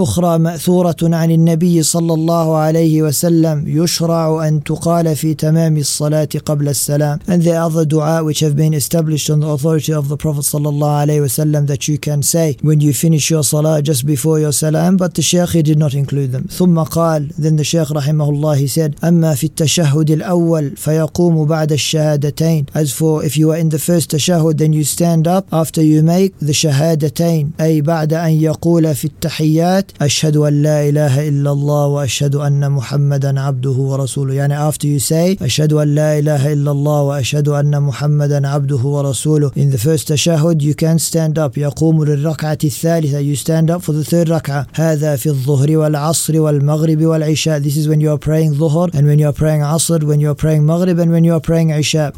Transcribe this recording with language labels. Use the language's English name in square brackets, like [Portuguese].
[Arabic] أخرى مأثورة عن النبي صلى الله عليه وسلم يشرع أن تقال في تمام الصلاة قبل السلام. [English] And there are the du'a which have been established on the authority of the Prophet [Arabic] صلى الله عليه وسلم [English] that you can say when you finish your salah just before your salam, but the Shaykh did not include them. [Arabic] ثم قال, [English] then the Shaykh [Arabic] رحمه الله [English] he said, [Arabic] أما في التشهد الأول فيقوم بعد الشهادتين. [English] As for if you are in the first tashahud, then you stand up after you make the shahadatain, [Arabic] أي بعد أن يقول في التحيات أشهد أن لا إله إلا الله وأشهد أن محمدا عبده ورسوله. يعني [English] after you say [Arabic] أشهد أن لا إله إلا الله وأشهد أن محمدا عبده ورسوله, [English] in the first tashahud you can stand up. [Arabic] يقوم للركعة الثالثة, [English] you stand up for the third ركعة. [Arabic] هذا في الظهر والعصر والمغرب والعشاء. [English] This is when you are praying ظهر, and when you are praying عصر, when you are praying مغرب, and when you are praying عشاء.